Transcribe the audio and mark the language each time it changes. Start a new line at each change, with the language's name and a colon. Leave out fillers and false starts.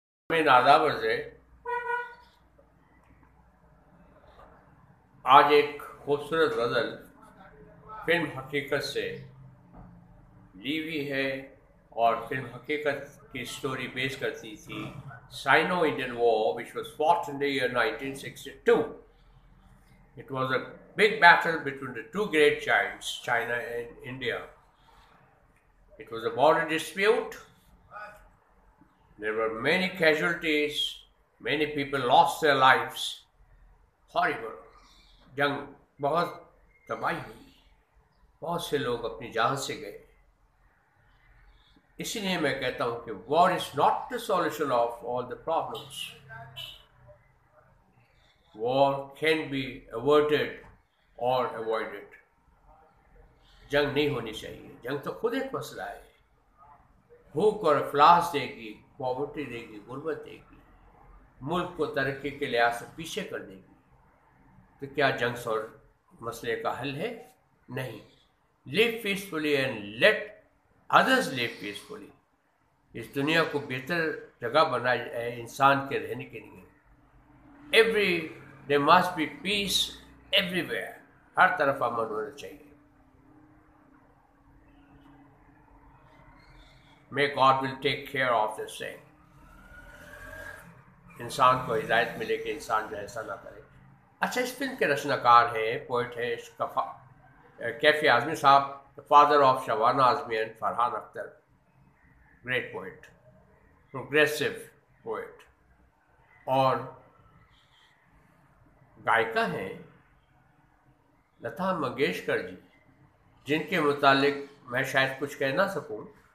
Urdu: میں نادا برزے آج ایک خوبصورت غزل فلم حقیقت سے لی ہوئی ہے اور فلم حقیقت کی سٹوری بیس کرتی تھی
English: Sino Indian war which was fought in the year 1962. It was a big battle between the two great giants China and India. It was a border dispute. There were many casualties, many people lost their lives. Horrible.
Urdu: جنگ بہت تباہی ہوئی, بہت سے لوگ اپنی جان سے گئے. اسی لیے میں کہتا ہوں کہ
English: war is not the solution of all the problems. War can be averted or avoided.
Urdu: جنگ نہیں ہونی چاہیے, جنگ تو خود ایک مسئلہ ہے. بھوک اور افلاس دے گی, پاورٹی دے گی, غربت دے گی, ملک کو ترقی کے لحاظ سے پیچھے کر دے گی. تو کیا جنگ اور مسئلے کا حل ہے؟ نہیں.
English: Live peacefully and let others live peacefully.
Urdu: اس دنیا کو بہتر جگہ بنا ہے انسان کے رہنے کے لیے.
English: Every day must be peace everywhere.
Urdu: ہر طرف امن ہونا چاہیے.
English: May God will take care of the same.
Urdu: انسان کو ہدایت ملے کہ انسان جو ایسا نہ کرے. اچھا, اس فلم کے رچنا کار ہیں, پوئٹ ہے کیفی اعظمی صاحب,
English: father of Shabana Azmi and Farhan Akhtar, great poet, progressive poet
Urdu: اور گائکا ہیں لتا منگیشکر جی, جن کے متعلق میں شاید کچھ کہہ نہ سکوں.